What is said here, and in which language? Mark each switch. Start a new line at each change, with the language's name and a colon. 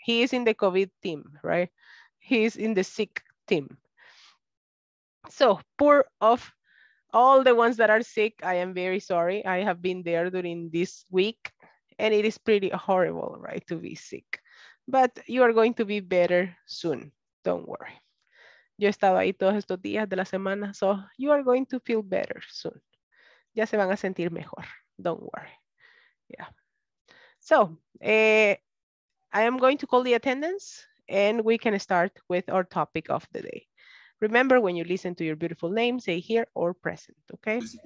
English: He is in the COVID team, right? He is in the sick team. So poor of all the ones that are sick, I am very sorry. I have been there during this week and it is pretty horrible, right? To be sick, but you are going to be better soon. Don't worry.
Spanish: Yo he estado ahí todos estos días de la semana.
English: So you are going to feel better soon.
Spanish: Ya se van a sentir mejor.
English: Don't worry. Yeah. So I am going to call the attendance and we can start with our topic of the day. Remember, when you listen to your beautiful name, say here or present, okay?